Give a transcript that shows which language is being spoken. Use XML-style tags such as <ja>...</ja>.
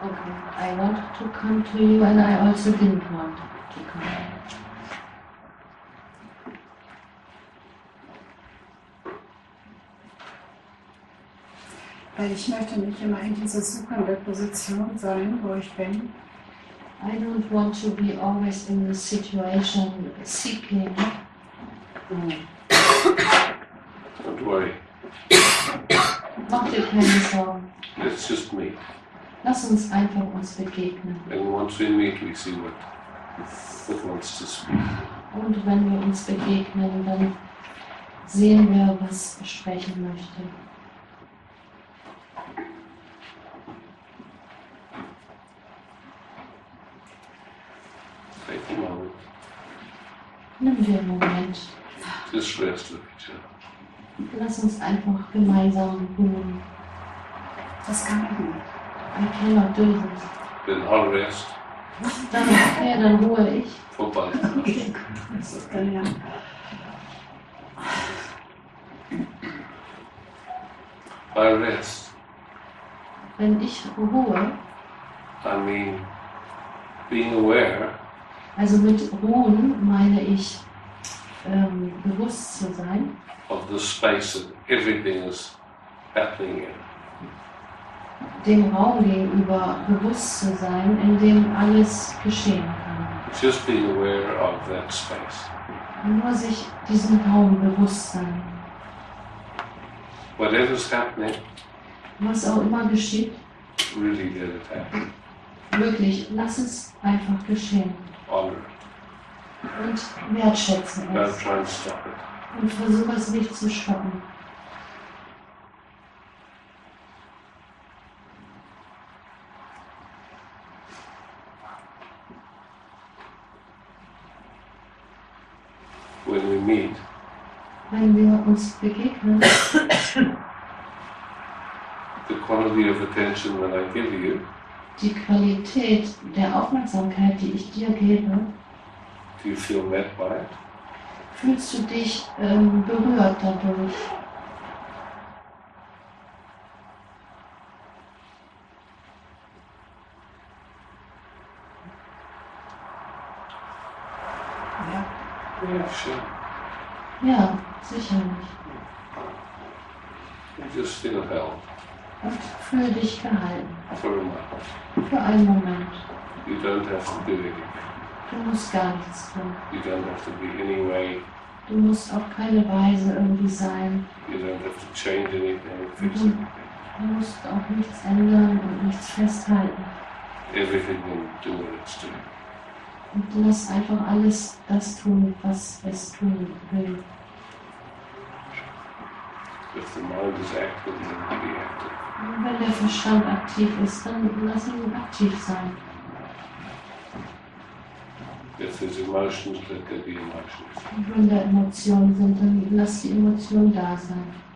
<en>Okay, I wanted to come to you and I also didn't want to come.</en> <de>Ich möchte nicht immer in dieser suchenden Position sein, wo ich bin.</de> <en>I don't want to be always in the situation seeking. Don't worry.</en> <de>Mach dir keine Sorgen.</de> <en>It's just me.</en> <de>Lass uns einfach uns begegnen.</de> <en>And once we meet, we see what wants to speak.</en> <de>Und wenn wir uns begegnen, dann sehen wir, was sprechen möchte. Nimm dir einen Moment. Das schwerste, bitte. Lass uns einfach gemeinsam ruhen. Das kann ich nicht.</de> <en>I cannot do this. Then I'll rest.</en> <de>Dann, okay, dann ruhe ich. Vorbei. Okay. Ja.</de> <en>I rest.</en> <de>Wenn ich ruhe.</de> <en>I mean, being aware.</en> <de>Also mit Ruhen meine ich, bewusst zu sein.</de> <en>Of the space that everything is happening in.</en> <de>Dem Raum gegenüber bewusst zu sein, in dem alles geschehen kann.</de> <en>Just being aware of that space.</en> <de>Nur sich diesem Raum bewusst sein.</de> <en>Whatever's happening,</en> <de>was auch immer geschieht,</de> <en>really let it happen.</en> <de>Wirklich, lass es einfach geschehen.</de> <en>Honor.</en> <de>Und wertschätzen es.</de> <en>Don't try and stop it.</en> <de>Und versuch es nicht zu stoppen.</de> <en>When we meet,</en> <de>wenn wir uns begegnen,</de> <en>the quality of attention that I give you,</en> <de>die Qualität der Aufmerksamkeit, die ich dir gebe,</de> <en>do you feel met by it?</en> <de>Fühlst du dich berührt dadurch? Ja. Ja, schön. Ja, sicherlich.</de> <en>You just feel held.</en> <de>Und fühle dich gehalten.</de> <en>For a moment.</en> <de>Für einen Moment.</de> <en>You don't have to do anything.</en> <de>Du musst gar nichts tun.</de> <en>You don't have to be any way.</en> <de>Du musst auf keine Weise irgendwie sein.</de> <en>You don't have to change anything.</en> <de>Du musst auch nichts ändern und nichts festhalten.</de> <en>Everything will do what it's doing.</en> <de>Und du musst einfach alles das tun, was es tun will.</de> <en>If the mind is active, then be active.</en> <de>Und wenn der Verstand aktiv ist, dann lass ihn aktiv sein.</de> <en>If there's emotions, let there be emotions.</en> <de>Und wenn da Emotionen sind, dann lass die Emotion da sein.</de>